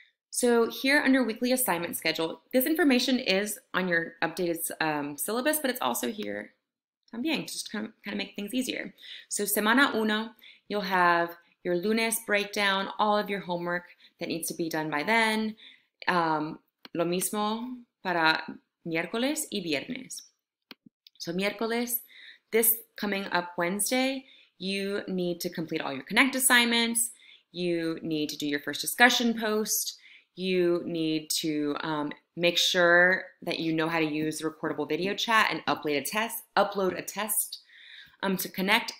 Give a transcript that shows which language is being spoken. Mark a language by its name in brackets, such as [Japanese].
[English] So here under weekly assignment schedule, this information is on your updated syllabus, but it's also here también, just to kind of make things easier. So [Spanish] semana uno, [English] you'll have your lunes breakdown, all of your homework that needs to be done by then. [Spanish] Lo mismo para miércoles y viernes. [English] So miércoles, this coming up Wednesday, you need to complete all your Connect assignments. You need to do your first discussion post. You need to make sure that you know how to use the recordable video chat and upload a test to Connect.